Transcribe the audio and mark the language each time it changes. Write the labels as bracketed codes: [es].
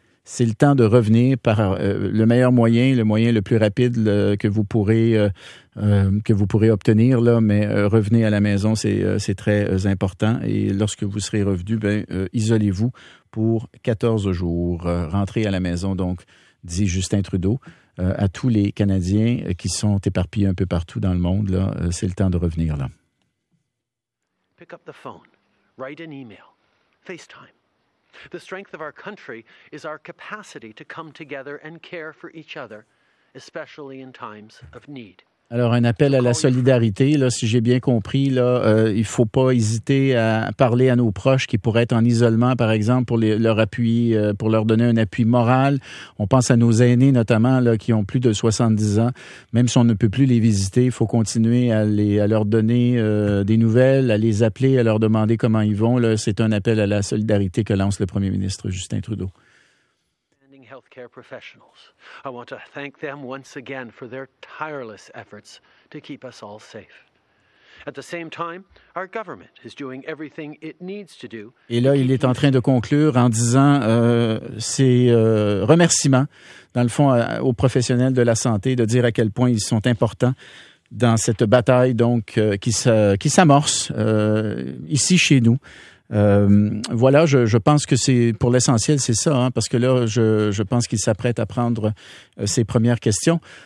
[fr] C'est le temps de revenir par le meilleur moyen, le moyen le plus rapide que vous pourrez obtenir, là, mais revenez à la maison, c'est très important. Et lorsque vous serez revenu, ben isolez-vous pour 14 jours. Rentrez à la maison, donc, dit Justin Trudeau. À tous les Canadiens qui sont éparpillés un peu partout dans le monde, là, c'est le temps de revenir là. [en] Pick up the phone, write an email, FaceTime. The strength of our country is our capacity to come together and care for each other, especially in times of need. [fr] Alors, un appel à la solidarité, là, si j'ai bien compris, là, il faut pas hésiter à parler à nos proches qui pourraient être en isolement, par exemple, pour leur appuyer, pour leur donner un appui moral. On pense à nos aînés, notamment, là, qui ont plus de 70 ans. Même si on ne peut plus les visiter, il faut continuer à leur donner des nouvelles, à les appeler, à leur demander comment ils vont. Là, c'est un appel à la solidarité que lance le premier ministre Justin Trudeau. [en] Healthcare professionals. I want to thank them once again for their tireless efforts to keep us all safe. At the same time, our government is doing everything it needs to do. [fr] Et là, il est en train de conclure en disant ses remerciements, dans le fond, aux professionnels de la santé, de dire à quel point ils sont importants dans cette bataille donc qui s'amorce ici chez nous. Voilà, je pense que c'est pour l'essentiel, c'est ça, hein, parce que là, je pense qu'il s'apprête à prendre ses premières questions.